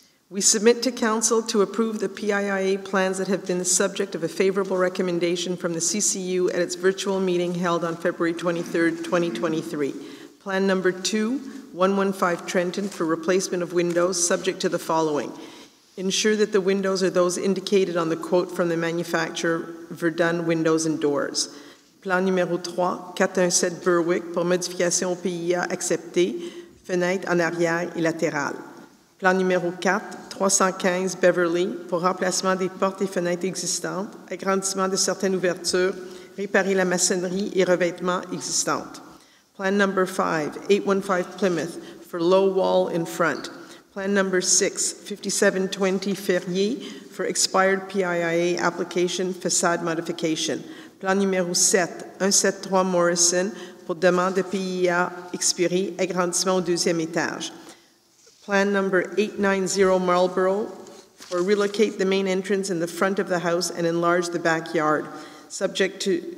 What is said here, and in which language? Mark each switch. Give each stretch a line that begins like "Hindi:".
English: We submit to Council to approve the PIIA plans that have been the subject of a favorable recommendation from the CCU at its virtual meeting held on February 23, 2023. Plan number 2115 Trenton for replacement of windows, subject to the following. Ensure that the windows are those indicated on the quote from the manufacturer Verdun Windows and Doors.
French: Plan numéro 3, 417 Berwick pour modification au PIA acceptée, fenêtres en arrière et latérales. Plan numéro 4, 315 Beverly, pour remplacement des portes et fenêtres existantes, agrandissement de certaines ouvertures, réparer la maçonnerie et revêtement existantes.
English: Plan number 5, 815 Plymouth, for low wall in front. Plan number 6, 5720 Ferrier, for expired PIIA application facade modification.
French: Plan numéro 7, 173 Morrison, pour demande de PIA expirée, agrandissement au deuxième étage.
English: Plan number 890 Marlborough, for relocate the main entrance in the front of the house and enlarge the backyard, subject to